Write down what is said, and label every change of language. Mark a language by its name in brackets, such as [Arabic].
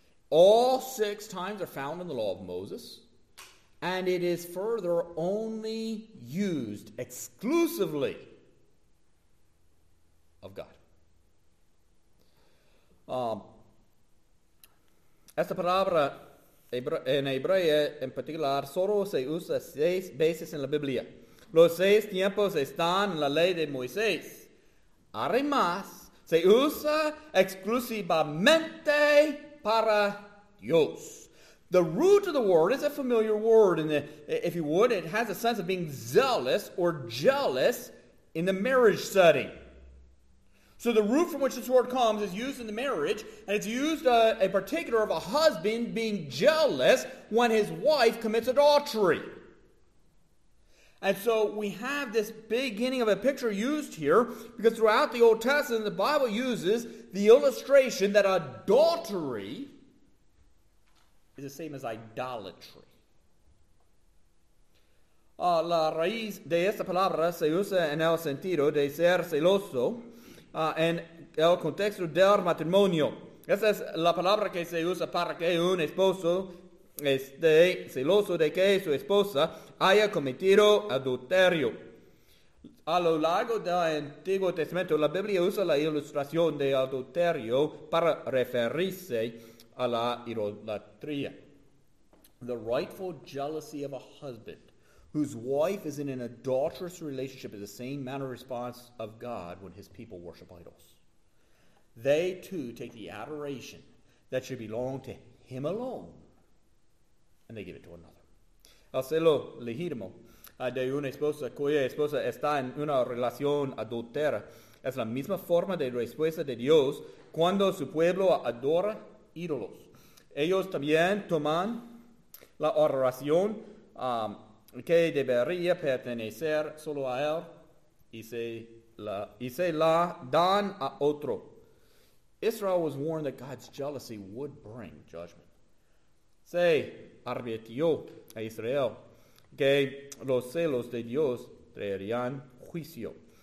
[English] All 6 times are found in the law of Moses. And it is further only used exclusively of God. [Spanish] Esta palabra en hebreo en particular solo se usa 6 veces en la Biblia. Los 6 tiempos están en la ley de Moisés. Además, se usa exclusivamente para Dios. [English] The root of the word is a familiar word. It has a sense of being zealous or jealous in the marriage setting. So the root from which this word comes is used in the marriage, and it's used in particular of a husband being jealous when his wife commits adultery. And so we have this beginning of a picture used here, because throughout the Old Testament, the Bible uses the illustration that adultery is the same as idolatry. [Spanish] La raíz de esta palabra se usa en el sentido de ser celoso en el contexto del matrimonio. Esa es la palabra que se usa para que un esposo esté celoso de que su esposa haya cometido adulterio. A lo largo del Antiguo Testamento, la Biblia usa la ilustración de adulterio para referirse a la idolatría. [English] The rightful jealousy of a husband whose wife is in an adulterous relationship is the same manner of response of God when his people worship idols. They too take the adoration that should belong to him alone, and they give it to another. [Spanish] El celo legítimo de una esposa cuya esposa está en una relación adultera es la misma forma de respuesta de Dios cuando su pueblo adora ídolos. Ellos también toman la adoración que debería pertenecer solo a él y se la dan a otro. [English] Israel was warned that God's jealousy would bring judgment. [Spanish] Se advirtió a Israel que los celos de Dios traerían juicio.